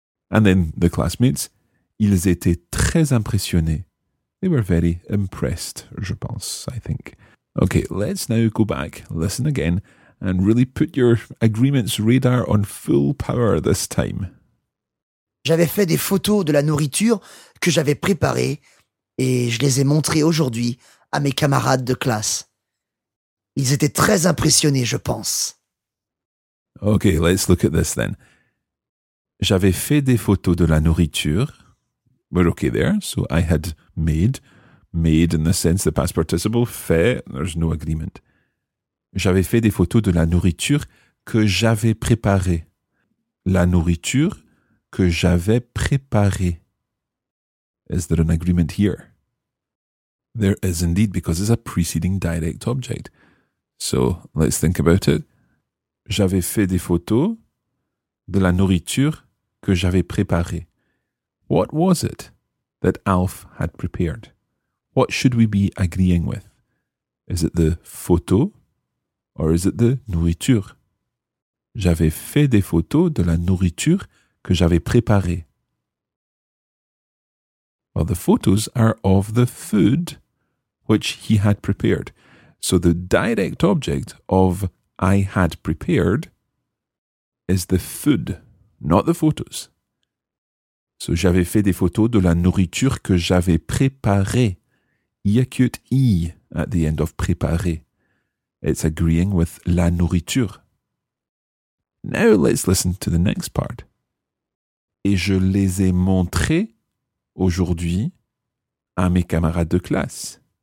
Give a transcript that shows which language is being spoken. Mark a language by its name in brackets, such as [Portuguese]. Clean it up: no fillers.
[English] And then the classmates, [French] ils étaient très impressionnés. [English] They were very impressed, [French] je pense, [English] I think. Okay, let's now go back, listen again, and really put your agreements radar on full power this time. [French] J'avais fait des photos de la nourriture que j'avais préparée et je les ai montrées aujourd'hui à mes camarades de classe. Ils étaient très impressionnés, je pense. [English] Okay, let's look at this then. [French] J'avais fait des photos de la nourriture. [English] We're okay there. So I had made in the sense the past participle, fait, there's no agreement. [French] J'avais fait des photos de la nourriture que j'avais préparée. La nourriture que j'avais préparé. [English] Is there an agreement here? There is indeed, because it's a preceding direct object. So, let's think about it. [French] J'avais fait des photos de la nourriture que j'avais préparée. [English] What was it that Alf had prepared? What should we be agreeing with? Is it the photo or is it the nourriture? [French] J'avais fait des photos de la nourriture que j'avais préparé. [English] Well, the photos are of the food which he had prepared. So the direct object of I had prepared is the food, not the photos. [French] So j'avais fait des photos de la nourriture que j'avais préparé. [English] Iacute I at the end of préparé. It's agreeing with la nourriture. Now let's listen to the next part. [French] Et je les ai montrés aujourd'hui à mes camarades de classe.